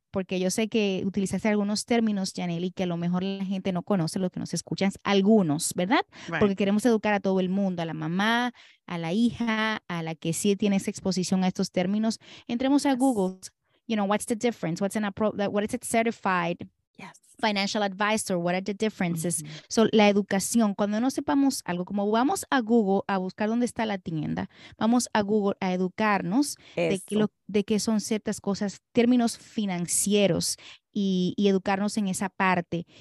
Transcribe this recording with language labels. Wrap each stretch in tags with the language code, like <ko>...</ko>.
<es>Porque yo sé que utilizaste algunos términos, Yanely, que a lo mejor la gente no conoce, lo que nos escuchan algunos, ¿verdad?</es> <en>Right.</en> <es>Porque queremos educar a todo el mundo, a la mamá, a la hija, a la que sí tiene esa exposición a estos términos. Entremos a Google,</es> <en>you know, what's the difference? What's an what is it certified? Yes. Financial advisor, what are the differences? Mm-hmm.</en> <es>So, la educación, cuando no sepamos algo, como vamos a Google a buscar dónde está la tienda, vamos a Google a educarnos de qué son ciertas cosas, términos financieros, y educarnos en esa parte.</es>